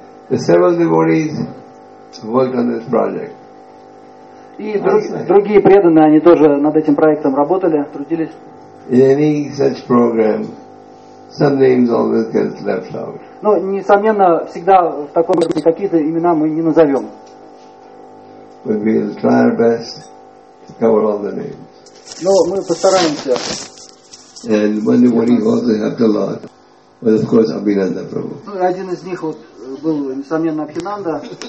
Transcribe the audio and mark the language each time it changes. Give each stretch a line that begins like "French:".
English: The several devotees worked on this project.
Russian: И другие преданные, они тоже над этим проектом работали, трудились.
English: In any such program, some names always get left out.
Russian: Ну, несомненно, всегда в таком случае какие-то имена мы не назовем.
English: But we'll try our best to cover all the names.
Russian: Но мы постараемся.
English: And one devotee who also helped a lot was, of course, Abhinanda Prabhu.
Russian: Ну, один из них вот был, несомненно, Абхинанда.